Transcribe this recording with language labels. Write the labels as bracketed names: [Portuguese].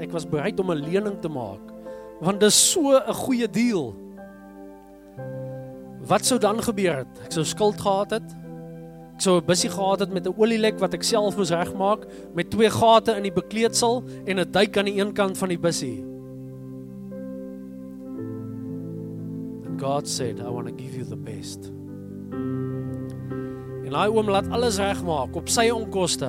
[Afrikaans] Ek was bereid om 'n lening te maak, want dis so 'n goeie deal. Wat sou dan gebeur het? Ek sou skuld gehad het. Ek sou 'n busjie gehad het met 'n olielek wat ek self moes regmaak, met 2 gate in die bekleedsel en 'n duik aan die een kant van die busjie. [English] And God said, I want to give you the best. [Afrikaans] En hy oom laat alles regmaak op sy onkoste.